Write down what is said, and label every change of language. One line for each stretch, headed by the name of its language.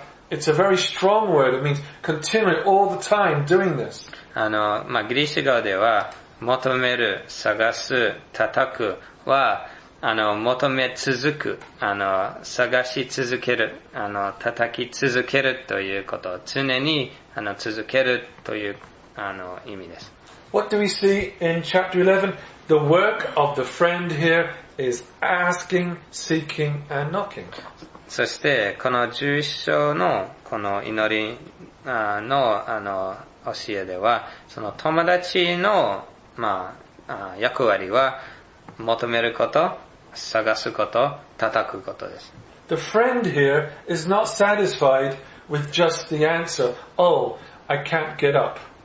English: It's a very strong word. It means continue all the time doing this.
Japanese: まあ、ギリシャ語では求める、探す、叩くは、求め続く、探し続ける、叩き続けるということ、常に、続けるという、意味です。
English: What do we see in chapter 11? The work of the friend here is asking, seeking, and knocking.
Japanese: そして、この11章の、この祈りの、教えでは、その友達の、まあ、役割は求めること、探すこと、叩くことです。
English: The friend here is not satisfied with just the answer, oh, I can't get up.